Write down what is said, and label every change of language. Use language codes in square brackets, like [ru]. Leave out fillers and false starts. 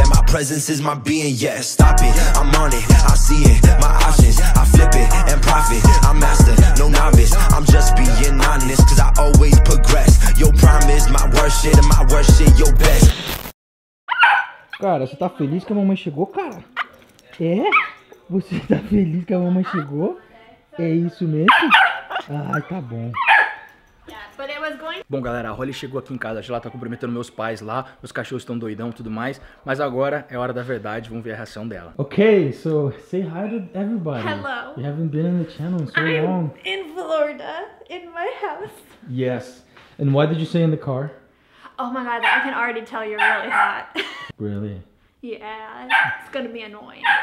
[en] Presence is my being, yeah, stop it, I'm on it, I see it, my options, I flip it, and profit, I'm master, no novice, I'm just being honest, cause I always progress, your prime is my worst shit, and my worst shit, your best. [pt] Cara, você tá feliz que a mamãe chegou, cara? É? Você tá feliz que a mamãe chegou? É isso mesmo? Ai, tá bom. Bom, galera, a Holly chegou aqui em casa, já lá tá cumprimentando meus pais lá, os cachorros estão doidão e tudo mais, mas agora é hora da verdade, vamos ver a reação dela. [en] Ok, so say hi to everybody. Hello. You haven't been on the channel so I'm long. I'm in Florida, in my house. Yes. And why did you say in the car? Oh my god, I can already tell you're really hot. Really? Yeah, it's gonna be annoying.